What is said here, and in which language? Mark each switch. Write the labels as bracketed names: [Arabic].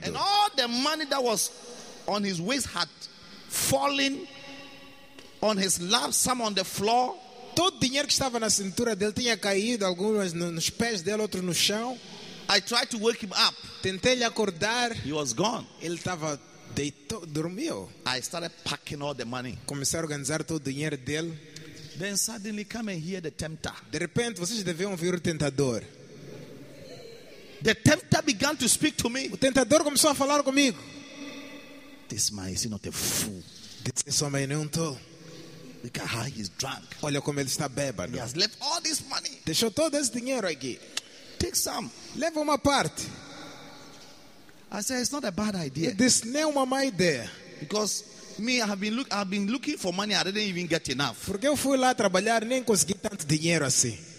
[English] And all the money that was on his waist had fallen on his lap, some on the floor. [Portuguese] Todo o dinheiro que estava na cintura dele tinha caído, alguns nos pés dele, outros no chão. [English] I tried to wake him up. [Portuguese] Tentei lhe acordar. [English] He was gone. [Portuguese] Ele estava dormiu. [English] I started packing all the money. [Portuguese] Comecei a organizar todo o dinheiro dele. [English] Then suddenly come and hear the tempter. [Portuguese] De repente vocês deviam ouvir o tentador. [English] The tempter began to speak to me. [Portuguese] O tentador começou a falar comigo. [English] This man is not a fool. [Portuguese] Esse homem não é um tolo. [English] Look at how he's drunk. [Portuguese] Olha como ele está bêbado. [English] He has left all this money. [Portuguese] Deixou todo esse dinheiro aqui. [English] Take some. [Portuguese] Leva uma parte. [English] I said, it's not a bad idea. [Portuguese] This não é uma má ideia. [English] Because me, I've been looking for money. I didn't even get enough. [Portuguese] Porque eu fui lá trabalhar nem consegui tanto dinheiro assim.